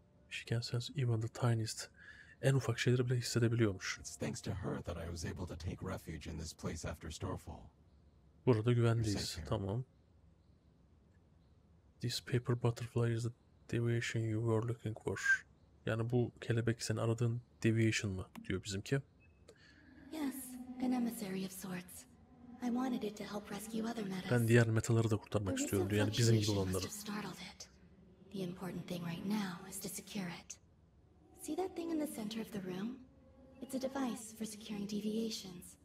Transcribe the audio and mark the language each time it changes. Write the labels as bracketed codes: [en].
[en] She can sense even the tiniest [tr] en ufak şeyleri bile hissedebiliyormuş. [en] Thanks to her that I was able to take refuge in this place after Starfall. [tr] Burada güvendeyiz. Tamam. [en] This paper butterfly is the deviation you were looking for. [tr] Yani bu kelebek senin aradığın deviation mı diyor bizimki? [en] Yes, an emissary of sorts. I wanted it to help rescue other metas. [tr] Ben diğer metaları da kurtarmak istiyorum diyor. Yani bizim gibi olanları. [en] The important thing right now is to secure it. See that thing in the center of the room? It's a device for securing deviations.